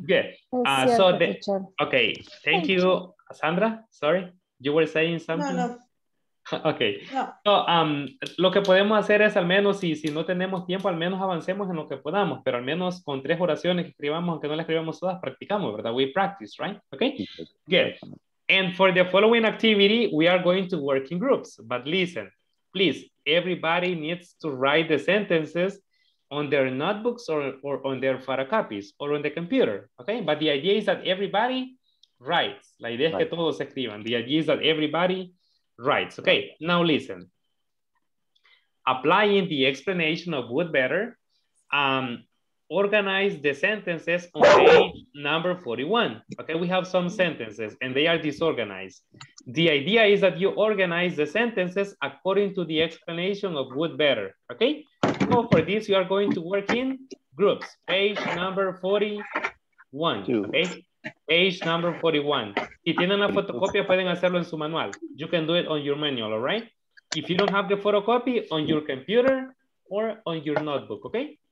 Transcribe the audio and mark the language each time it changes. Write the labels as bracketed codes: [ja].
[en] Good. Cierto, okay. Thank you, Sandra. Sorry, you were saying something. No. Okay. No. [es] So, lo que podemos hacer es al menos si no tenemos tiempo, al menos avancemos en lo que podamos. Pero al menos con tres oraciones que escribamos, aunque no las escribamos todas, practicamos, ¿verdad? [en] We practice, right? Okay. Good. And for the following activity, we are going to work in groups. But listen, please, everybody needs to write the sentences on their notebooks or on their photocopies or on the computer, okay? But the idea is that everybody writes. [es] La idea es que todos escriban. [en] The idea is that everybody writes, okay? Right. Now listen. Applying the explanation of would better, organize the sentences on page number 41, okay? We have some sentences and they are disorganized. The idea is that you organize the sentences according to the explanation of would better, okay? So for this, you are going to work in groups. Page number 41, okay? Page number 41. [es] Si tienen la fotocopia, pueden hacerlo en su manual. [en] You can do it on your manual, all right? If you don't have the photocopy, on your computer or on your notebook, okay?